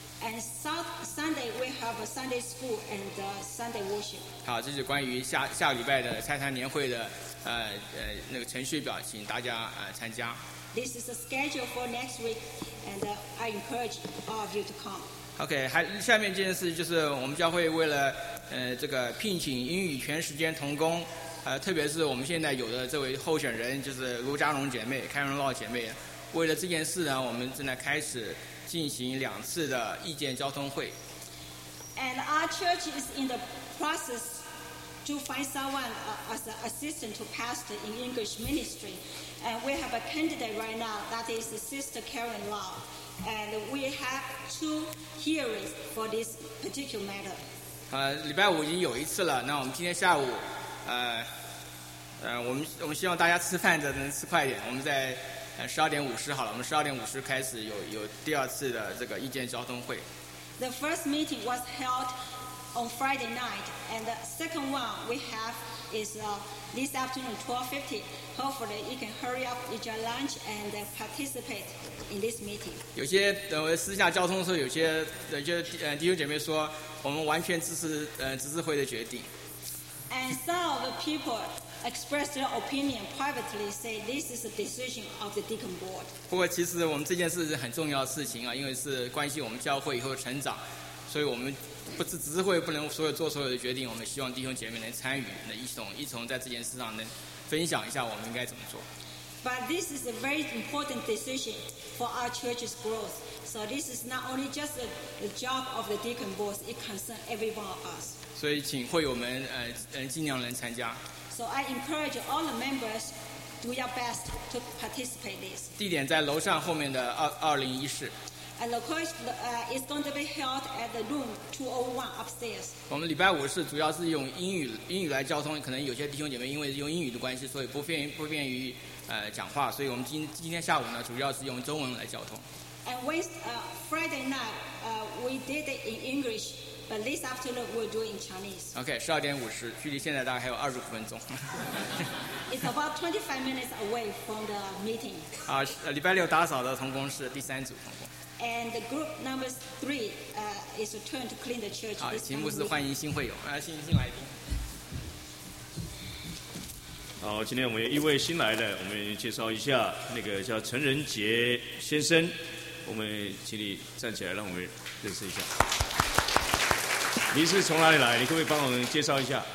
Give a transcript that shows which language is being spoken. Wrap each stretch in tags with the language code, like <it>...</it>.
<en>And Sunday we have a Sunday school and Sunday worship.</en> <zh>好，这是关于下礼拜的菜坛年会的那个程序表，请大家参加。</zh> <en>This is a schedule for next week, and I encourage all of you to come.</en> <zh>OK， 还下面这件事就是我们教会为了这个聘请英语全时间同工，特别是我们现在有的这位候选人就是卢嘉荣姐妹、凯文洛姐妹，为了这件事呢，我们正在开始进行两次的意见交通会。</zh> <en>And our church is in the process to find someone as an assistant to pastor in English ministry, and we have a candidate right now that is Sister Karen Law, and we have two hearings for this particular matter.</en> <zh>礼拜五已经有一次了，那我们今天下午，我们希望大家吃饭的能吃快点，我们在。 12:50好了，我们12:50开始有第二次的这个意见交通会。</zh> <en>The first meeting was held on Friday night, and the second one we have is this afternoon 12:50. Hopefully, you can hurry up, eat your lunch, and participate in this meeting.</en> <zh>有些私下交通的时候，有些弟兄姐妹说，我们完全支持执事会的决定。</zh> <en>And some of the people. Express their opinion privately. Say this is a decision of the deacon board.</en> <zh>不过，其实我们这件事是很重要的事情啊，因为是关系我们教会以后的成长，所以我们不是执事会不能所有做所有的决定。我们希望弟兄姐妹能参与，能一同在这件事上能分享一下我们应该怎么做。</zh> <en>But this is a very important decision for our church's growth. So this is not only just the job of the deacon board. It concerns every one of us.</en> <zh>所以，请会友们尽量能参加。</zh> <en>So I encourage all the members do your best to participate in this.</en> <zh>地点在楼上后面的201室。</zh> <en>And the course is going to be held at the room 201 upstairs.</en> <zh>我们礼拜五是主要是用英语来交通，可能有些弟兄姐妹因为用英语的关系，所以不便于讲话，所以我们今天下午呢，主要是用中文来交通。</zh> <en>And Friday night we did it in English. But this afternoon we'll do in Chinese.</en> <zh>Okay, 12:50, 距离现在大概还有20分钟。</zh> <en>It's about 25 minutes away from the meeting.</en> <zh>礼拜六打扫的同工是第三组同工。</zh> <en>And the group number three, is a turn to clean the church.</en> <zh>题目是欢迎新会友，新来宾。好，今天我们有一位新来的，我们介绍一下，那个叫陈仁杰先生，我们请你站起来，让我们认识一下。你是从哪里来？你可不可以帮我们介绍一下？</zh>